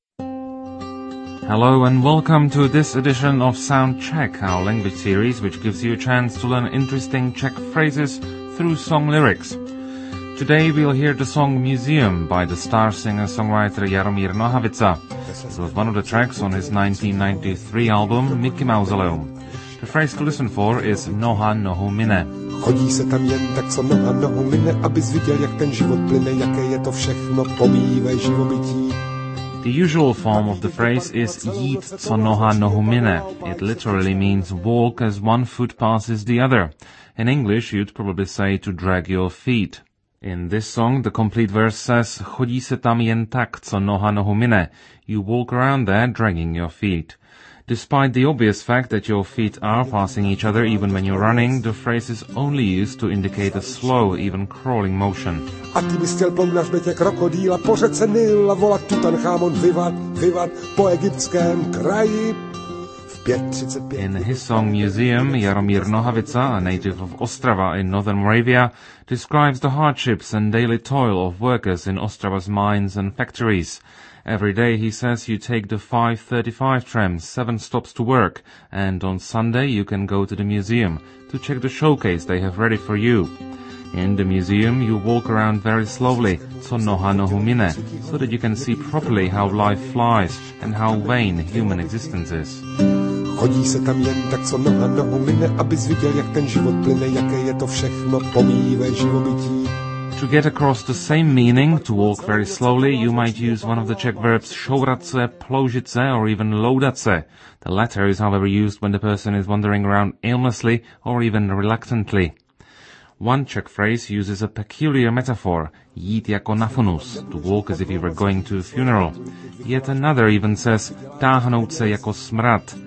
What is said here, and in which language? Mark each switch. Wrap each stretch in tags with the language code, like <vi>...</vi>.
<en>Hello and welcome to this edition of Soundcheck, our language series which gives you a chance to learn interesting Czech phrases through song lyrics. Today we'll hear the song Museum by the star singer-songwriter Jaromír Nohavica. It was one of the tracks on his 1993 album Mickey Mausoleum. The phrase to listen for is</en> <cs>Noha nohu mine. Chodí se tam jen tak, co noha nohu mine, abys viděl, jak ten život plyne, jaké je to všechno pomývé živobytí.</cs> <en>The usual form of the phrase is</en> <cs>jít co noha nohu mine.</cs> <en>It literally means walk as one foot passes the other. In English, you'd probably say to drag your feet. In this song, the complete verse says,</en> <cs>Chodí se tam jen tak, co noha nohu mine.</cs> <en>You walk around there dragging your feet. Despite the obvious fact that your feet are passing each other even when you're running, the phrase is only used to indicate a slow, even crawling motion.</en> <cs>A ty bys chtěl po mnažbetě krokodýla, po řece Nila volat Tutanchamon, vyvat, vyvat po egyptském kraji.</cs> <en>In his song Museum, Jaromír Nohavica, a native of Ostrava in northern Moravia, describes the hardships and daily toil of workers in Ostrava's mines and factories. Every day, he says, you take the 5:35 tram, 7 stops to work, and on Sunday you can go to the museum to check the showcase they have ready for you. In the museum, you walk around very slowly,</en> <cs>co noha nohu mine,</cs> <en>so that you can see properly how life flies and how vain human existence is.</en> <cs>Chodí se tam jen tak, co noha nohu mine, abys viděl, jak ten život plyne, jaké je to všechno pomývé živobytí.</cs> <en>To get across the same meaning, to walk very slowly, you might use one of the Czech verbs</en> <cs>šourat se, ploužit se,</cs> <en>or even</en> <cs>loudat se.</cs> <en>The latter is however used when the person is wandering around aimlessly or even reluctantly. One Czech phrase uses a peculiar metaphor,</en> <cs>jít jako na funus,</cs> <en>to walk as if you were going to a funeral. Yet another even says</en> <cs>táhnout se jako smrad,</cs>